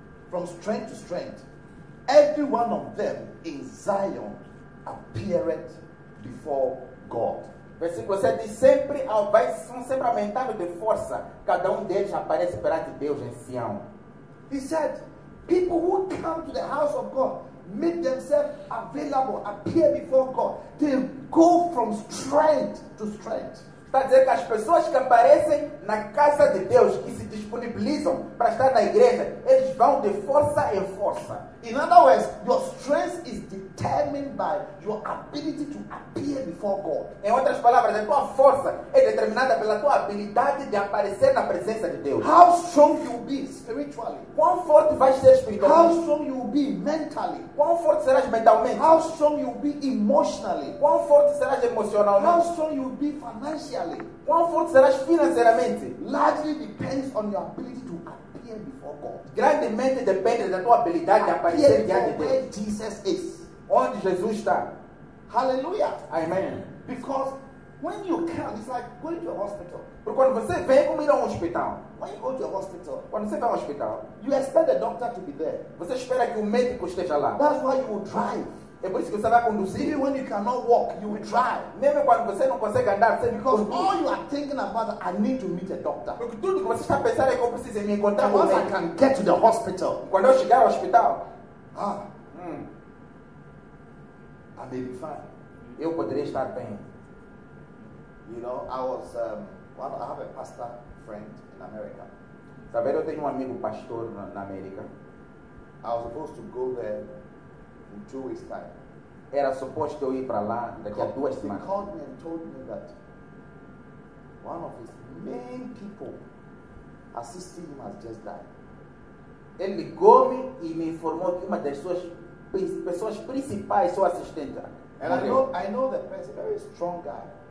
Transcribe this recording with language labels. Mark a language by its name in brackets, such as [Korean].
[English] From strength to strength. Every one of them in Zion appeared before God. [Portuguese] Versículo 7, sempre são sempre aumentando de força. Cada deles aparece perante Deus em Sião. [English] He said, people who come to the house of God make themselves available, appear before God. They go from strength to strength. [Portuguese] Está dizendo que as pessoas que aparecem na casa de Deus, que se disponibilizam para estar na igreja, eles vão de força em força. [English] In other words, your strength is determined by your ability to appear before God. [Portuguese] Em outras palavras, a tua força é determinada pela tua habilidade de aparecer na presença de Deus. [English] How strong you will be spiritually? [Portuguese] Quão forte vais ser espiritualmente? [English] How strong you will be mentally? [Portuguese] Quão forte serás mentalmente? [English] How strong you will be emotionally? [Portuguese] Quão forte serás emocionalmente? [English] How strong you will be financially? [Portuguese] Quão forte serás financeiramente? [English] Largely depends on your ability to appear before God. [Portuguese] Grandemente depende da tua habilidade de aparecer diante de Deus. [English] Where Jesus is. [Portuguese] Onde Jesus está. [English] Hallelujah. Amen. Because when you come, it's like going to a hospital. [Portuguese] Porque quando você vem, como ir a hospital. [English] When you go to a hospital. [Portuguese] Quando você vai ao hospital. [English] You expect the doctor to be there. [Portuguese] Você espera que o médico esteja lá. [English] That's why you will drive. [Portuguese] É por isso que você vai conduzir. [English] Even when you cannot walk, you will drive. [Portuguese] Mesmo quando você não consegue andar, você [English] because [Portuguese] conduz. [English] All you are thinking about, I need to meet a doctor. [Portuguese] Porque tudo que você está pensando é que eu preciso me encontrar com [English] ele. Once I can get to the hospital. [Portuguese] Quando eu chegar ao hospital. [English] I may be fine. [Portuguese] Eu poderia estar bem. [English] You know, I have a pastor friend in America. [Portuguese] Sabe, eu tenho amigo pastor na América. [English] I was supposed to go there. In 2 weeks' time. [Portuguese] Era suposto eu ir para lá daqui a 2 semanas. [English] He called me and told me that one of his main people assisting him has just died. [Portuguese] Ele ligou-me e me informou que uma das suas pessoas principais, sua assistente. [English] And I know that person, a very strong guy.